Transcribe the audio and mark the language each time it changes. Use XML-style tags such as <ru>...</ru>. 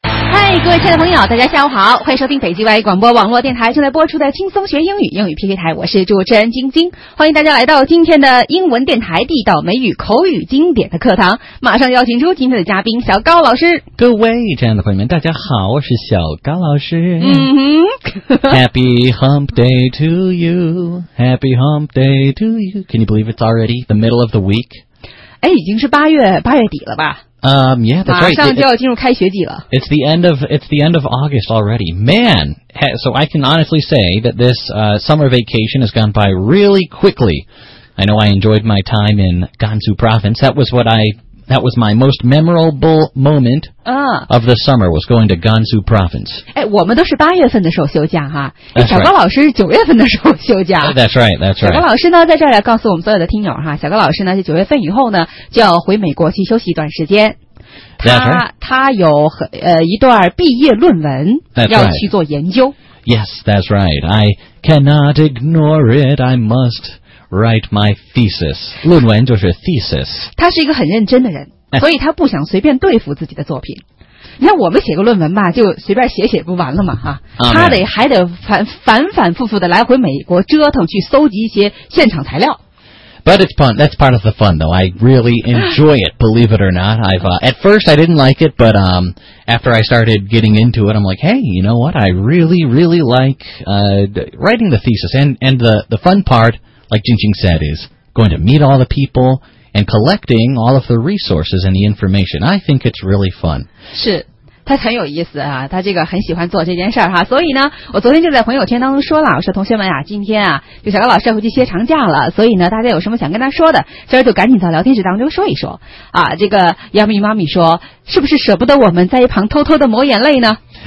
<zh>各位亲爱的朋友，大家下午好，欢迎收听北京外语广播网络电台正在播出的轻松学英语英语 PK 台，我是主持人晶晶，欢迎大家来到今天的英文电台地道美语口语经典的课堂，马上邀请出今天的嘉宾小高老师。各位亲爱的朋友们大家好，我是小高老师。嗯哼</zh> <en>Happy hump day to you, Happy hump day to you. Can you believe it's already the middle of the week?</en> <zh>哎，已经是八月底了吧。</zh> <en>Yeah, that's right.</en> <zh>马上就要进入开学季了。</zh> <en>It's the end of August already. Man, so I can honestly say that this summer vacation has gone by really quickly. I know I enjoyed my time in Gansu province. That was my most memorable moment of the summer was going to Gansu province.</en> <zh>哎，我们都是八月份的时候休假哈。小高老师是九月份的时候休假。</zh> <en>That's right, that's right.</en> <zh>小高老师呢，在这儿来告诉我们所有的听友哈，小高老师呢，就九月份以后呢，就要回美国去休息一段时间。他有一段毕业论文要去做研究。</zh> <en>Yes, that's right. I cannot ignore it. I must. Write my thesis.</en> <zh>论文就是</zh> <en>thesis.</en> <zh>他是一个很认真的人，所以他不想随便对付自己的作品。你看我们写个论文吧，就随便写写不完了嘛哈。他得还得反复的来回美国折腾，去搜集一些现场材料。</zh> <en>But it's fun. That's part of the fun, though. I really enjoy it, believe it or not. At first, I didn't like it, but after I started getting into it, I'm like, hey, you know what? I really, really like writing the thesis. And the fun part,like Jingjing said, is going to meet all the people and collecting all of the resources and the information. I think it's really fun.</en> <zh>是，他很有意思啊，他这个很喜欢做这件事儿哈。所以呢，我昨天就在朋友圈当中说了，我说同学们啊，今天啊，就小高老师回去歇长假了，所以呢，大家有什么想跟他说的，今儿就赶紧到聊天室当中说一说。啊，这个杨幂妈咪说，是不是舍不得我们在一旁偷偷的抹眼泪呢</zh>